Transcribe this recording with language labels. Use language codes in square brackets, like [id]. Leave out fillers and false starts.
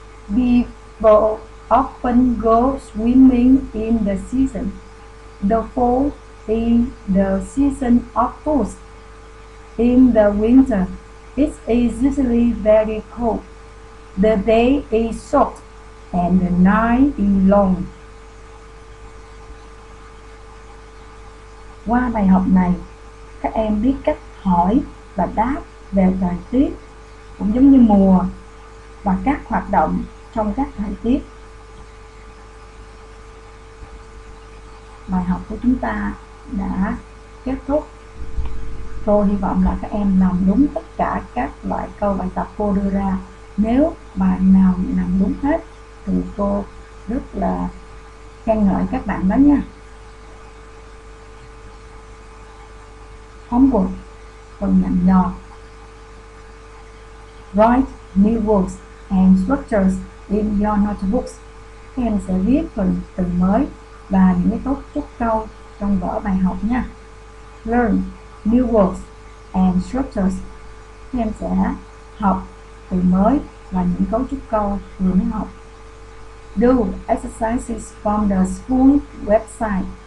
[en] People often go swimming in the season. The fall is the season of fruits. In the winter, it is usually very cold. The day is short and the night is long. [vi] Qua bài học này, các em biết cách hỏi và đáp về thời tiết, cũng giống như mùa và các hoạt động trong các thời tiết. Bài học của chúng ta đã kết thúc. Cô hy vọng là các em làm đúng tất cả các loại câu bài tập cô đưa ra. Nếu bạn nào làm đúng hết thì cô rất là khen ngợi các bạn đó nha. Homework, phần nhận nhò. [en] Write new words and structures in your notebooks. [vi] Các em sẽ viết phần từ mới và những cái cấu trúc câu trong vở bài học nha. [en] Learn new words and structures. [vi] Các em sẽ học từ mới và những cấu trúc câu vừa mới học. [en] Do exercises from the school website.